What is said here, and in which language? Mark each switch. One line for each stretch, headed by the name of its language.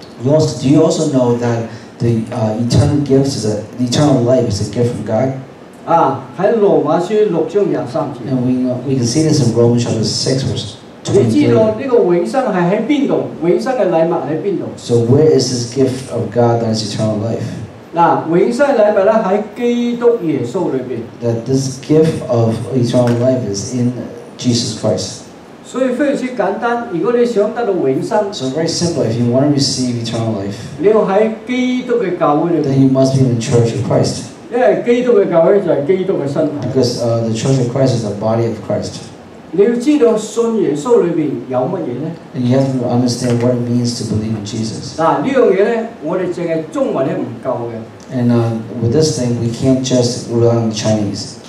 English: Do you also know that the eternal life is a gift from God?
Cantonese: 啊，喺羅馬書6章23節。
English: And we can see this in Romans chapter 6 verse 23.
Cantonese: 你知道呢個永生係喺邊度？永生嘅禮物喺邊度？
English: So where is this gift of God that is eternal life?
Cantonese: 嗱，永生禮物咧喺基督耶穌裏邊。
English: That this gift of eternal life is in Jesus Christ.
Cantonese: 所以非常簡單，如果你想得到永生，
English: So very simple. If you want to receive eternal life,
Cantonese: 你要喺基督嘅教會裏。
English: Then you must be in the Church of Christ.
Cantonese: 因為基督嘅教會就係基督嘅身體。
English: Because the Church of Christ is the body of Christ.
Cantonese: 你要知道信耶穌裏邊有乜嘢咧？
English: And you have to understand what it means to believe in Jesus.
Cantonese: 嗱呢樣嘢咧，我哋淨係中文咧唔夠嘅。
English: And with this thing, we can't just rely on Chinese.